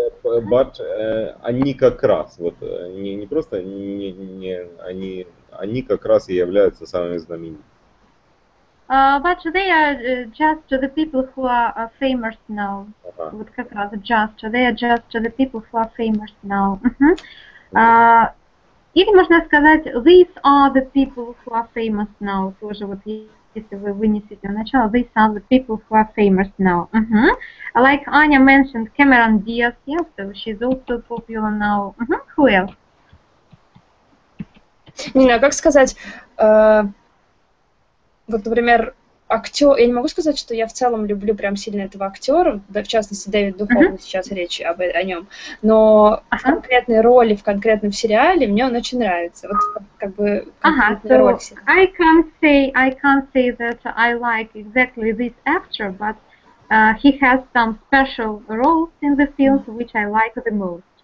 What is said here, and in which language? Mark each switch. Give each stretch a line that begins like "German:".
Russian: But они как раз вот не просто не они как раз и являются самыми знаменитыми.
English: But they are just to the people who are famous now.
Russian: Вот как раз
English: just they are just to the people who are famous now.
Russian: Или можно сказать
English: these are the people who are famous now.
Russian: Тоже вот есть. если вы вынесете в начало,
English: these are the people who are famous now. Like Anya mentioned, Cameron Diaz, yeah, so she's also popular now. Who else?
Russian: Нина, как сказать, вот, например, актер, я не могу сказать, что я в целом люблю прям сильно этого актера, да, в частности, Дэвид Духовный, сейчас речь о нем, но в конкретной роли, в конкретном сериале мне он очень нравится, вот как бы конкретная роль сериала.
English: I can't say that I like exactly this actor, but he has some special roles in the films, which I like the most.